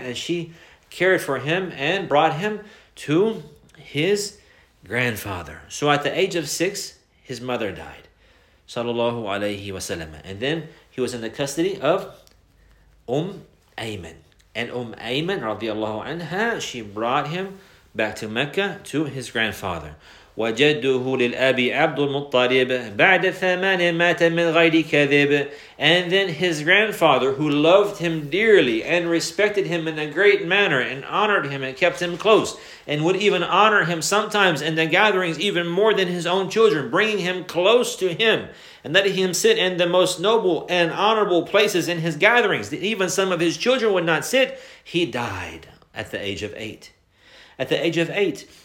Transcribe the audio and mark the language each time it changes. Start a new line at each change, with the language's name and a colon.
English: And she cared for him and brought him to his grandfather. So at the age of 6, his mother died, sallallahu alayhi wa sallam. And then he was in the custody of Ayman. And Ayman, radiallahu anha, she brought him back to Mecca to his grandfather.
Arabic: وجده للأبي عبد المطلب بعد ثمان مات من غير كذب.
English: And then his grandfather, who loved him dearly and respected him in a great manner and honored him and kept him close and would even honor him sometimes in the gatherings even more than his own children, bringing him close to him and letting him sit in the most noble and honorable places in his gatherings that even some of his children would not sit, he died at the age of 8. At the age of 8.